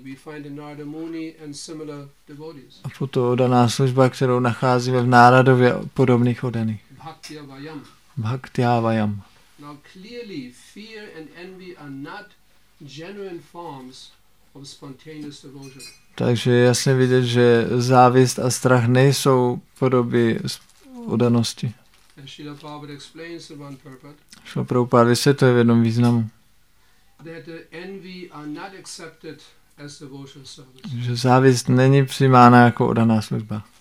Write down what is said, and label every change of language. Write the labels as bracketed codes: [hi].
[en] We find in Narada Muni and similar devotees. [cs] A potom daná služba, kterou nacházíme v Náradově podobných odaných. [sa] Bhaktiavayam. [en] Now clearly fear and envy are not genuine forms of spontaneous devotion. [cs] Takže je jasně vidět, že závist a strach nejsou podoby oddanosti. [en] Srila Prabhupada explains in one purport. [cs] Srila Prabhupada vysvětluje v jednom významu. [en] That envy are not accepted as devotional service. [cs] Že závist není přijímána jako oddaná služba.